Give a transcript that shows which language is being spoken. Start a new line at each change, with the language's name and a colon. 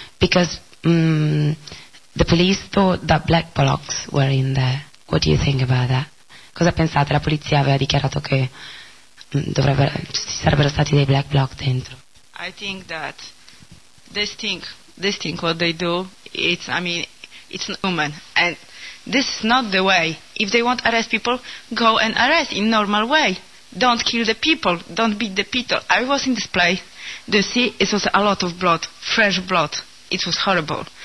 English: Because the police thought that black blocks were in there. What do you think about that?
Italian: Cosa pensate? La polizia aveva dichiarato che ci sarebbero stati dei black blocks dentro.
English: I think that this thing what they do, it's human, and this is not the way. If they want to arrest people, go and arrest in normal way. Don't kill the people, don't beat the people. I was in this place. Do you see? It was a lot of blood, fresh blood. It was horrible.